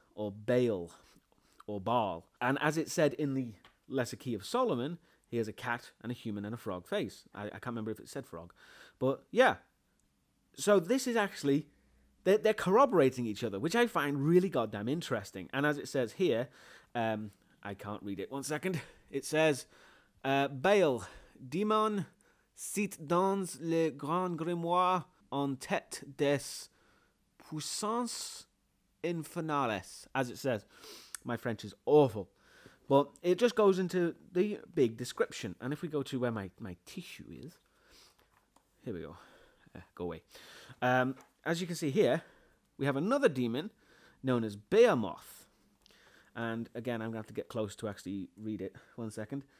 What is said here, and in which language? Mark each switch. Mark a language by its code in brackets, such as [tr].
[en] And as it said in the Lesser Key of Solomon, he has a cat and a human and a frog face. I can't remember if it said frog. But yeah, so this is actually, they're corroborating each other, which I find really goddamn interesting. And as it says here, I can't read it. One second. It says, [fr] Baal, démon, cite dans le grand grimoire en tête des puissances infernales. [en] As it says, my French is awful. But it just goes into the big description. And if we go to where my tissue is, here we go. Go away. As you can see here, we have another demon known as Behemoth. And again, I'm going to have to get close to actually read it. One second.